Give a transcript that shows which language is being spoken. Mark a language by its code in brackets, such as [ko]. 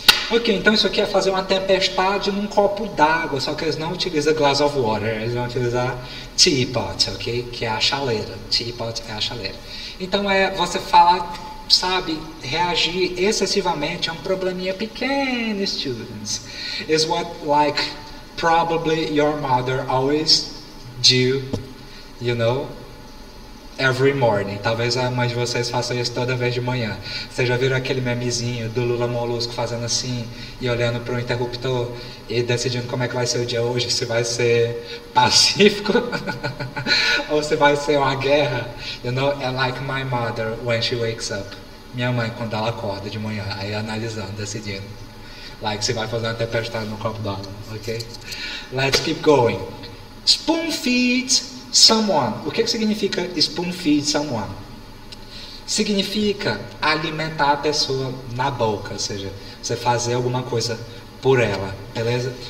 [pt] Ok, então isso aqui é fazer uma tempestade num copo d'água, só que eles não utilizam [en] glass of water, [pt] eles vão utilizar teapot, ok? Que é a chaleira, teapot é a chaleira. Então é você falar, sabe, reagir excessivamente a um probleminha pequeno, students. [en] Is what, like, probably your mother always do, you know? Every morning. [pt] Talvez a mãe de vocês faça isso toda vez de manhã. Vocês já viram aquele memezinho do Lula Molusco fazendo assim e olhando para o interruptor e decidindo como é que vai ser o dia hoje? Se vai ser pacífico ou se vai ser uma guerra? [en] You know, I like my mother when she wakes up. [pt] Minha mãe, quando ela acorda de manhã, aí analisando, decidindo. Like, se vai fazer uma tempestade no copo d'água, ok? [en] Let's keep going. Spoon feeds. Someone. [pt] O que significa spoon feed someone? Significa alimentar a pessoa na boca, ou seja, você fazer alguma coisa por ela, beleza?